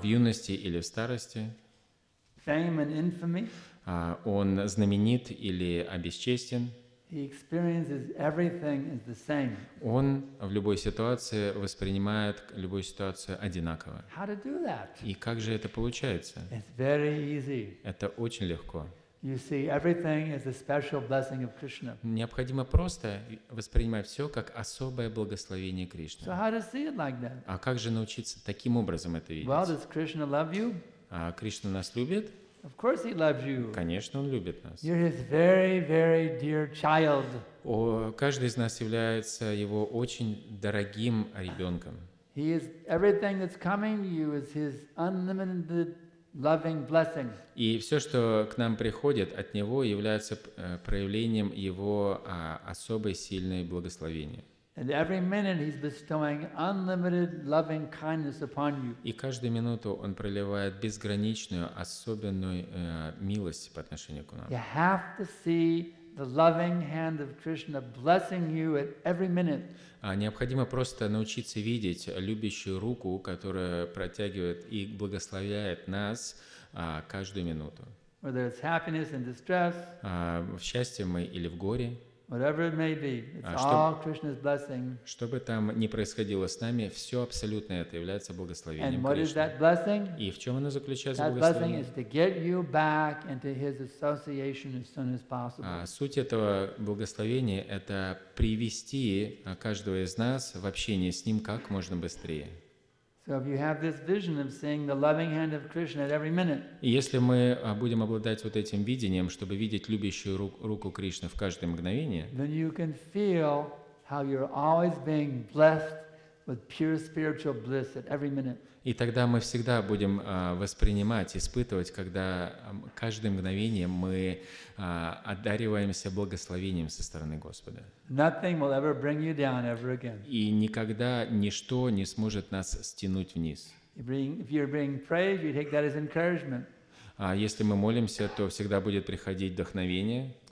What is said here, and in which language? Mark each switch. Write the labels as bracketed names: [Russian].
[Russian] В юности или в старости. [English] Fame and infamy. [Russian] Он знаменит или обесчестен. [English] He experiences everything as the same. [Russian] Он в любой ситуации воспринимает любую ситуацию одинаково. [English] How to do that? [Russian] И как же это получается? [English] It's very easy. [Russian] Это очень легко. [English] You see, everything is a special blessing of Krishna. [Russian] Необходимо просто воспринимать все как особое благословение Кришны. [English] So how to see it like that? [Russian] А как же научиться таким образом это видеть? [English] Well, does Krishna love you? [Russian] А Кришна нас любит? [English] Of course he loves you. [Russian] Конечно, он любит нас. [English] You're his very, very dear child. [Russian] О, каждый из нас является его очень дорогим ребенком. [English] He is everything that's coming to you is his unlimited loving blessing. [Russian] И все, что к нам приходит от него, является проявлением его особой сильной благословения. [English] And every minute he's bestowing unlimited loving kindness upon you. [Russian] И каждую минуту он проливает безграничную особенную милость по отношению к нам. [English] You have to see the loving hand of Krishna blessing you at every minute. [Russian] Необходимо просто научиться видеть любящую руку, которая протягивает и благословляет нас каждую минуту. [English] Whether it's happiness and distress. [Russian] В счастье мы или в горе. [English] Whatever it may be, it's all Krishna's blessing. [Russian] Что бы там ни происходило с нами, все абсолютно это является благословением [English] Кришны. And what is that blessing? [Russian] И в чем оно заключается, [English] that [Russian] благословение? [English] That blessing is to get you back into his association as soon as possible. [Russian] Суть этого благословения – это привести каждого из нас в общение с ним как можно быстрее. [English] So if you have this vision of seeing the loving hand of Krishna at every minute. [Russian] И если мы будем обладать вот этим видением, чтобы видеть любящую руку Кришны в каждое мгновение, [English] then you can feel how you're always being blessed with pure spiritual bliss at every minute. [Russian] И тогда мы всегда будем воспринимать, испытывать, когда каждое мгновение мы одариваемся благословением со стороны Господа. [English] Nothing will ever bring you down ever again. [Russian] И никогда ничто не сможет нас стянуть вниз. [English] If you're being praise, you take that as encouragement. [Russian] Если мы молимся, то всегда будет приходить вдохновение.